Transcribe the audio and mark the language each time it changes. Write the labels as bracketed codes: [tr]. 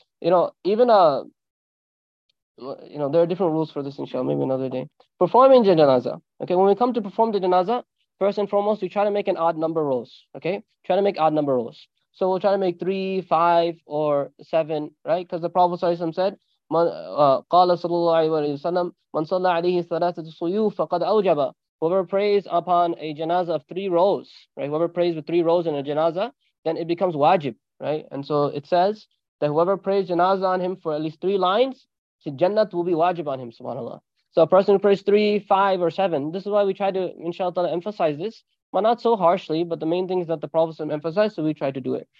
[en] You know, even there are different rules for this, inshallah, maybe another day. Performing the janazah. Okay, when we come to perform the janazah, first and foremost, we try to make an odd number rolls. Okay, try to make odd number rolls. So we'll try to make 3, 5, or 7, right? Because the Prophet said, [ar] قَالَ صَلَّى اللَّهُ عَلَيْهِ وَسَلَّمْ مَنْ صَلَّى عَلَيْهِ ثَلَاثَةُ صُيُوفَ فَقَدْ أَوْجَبَ. [en] Whoever prays upon a janazah of 3 rows, right? Whoever prays with 3 rows in a janazah, then it becomes wajib, right? And so it says that whoever prays janazah on him for at least 3 lines, his jannat will be wajib on him, subhanAllah. So a person who prays 3, 5, or 7, this is why we try to, inshallah, emphasize this, but not so harshly, but the main thing is that the Prophet emphasized, so we try to do it.